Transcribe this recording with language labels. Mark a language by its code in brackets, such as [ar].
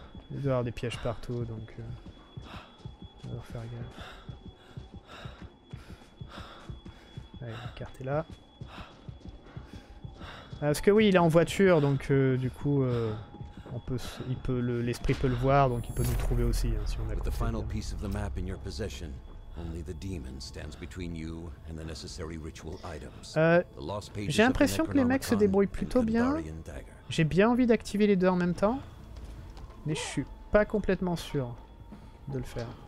[fr] Il doit y avoir des pièges partout, donc... on va faire gaffe. Allez, la carte est là. Parce que oui, il est en voiture, donc du coup, l'esprit peut le voir, donc il peut nous trouver aussi, hein, si on a compris. [en] With the final piece of the map in your possession, only the demon stands between you and the necessary ritual items. [fr] J'ai l'impression que les mecs se débrouillent plutôt bien. J'ai bien envie d'activer les deux en même temps, mais je suis pas complètement sûr de le faire.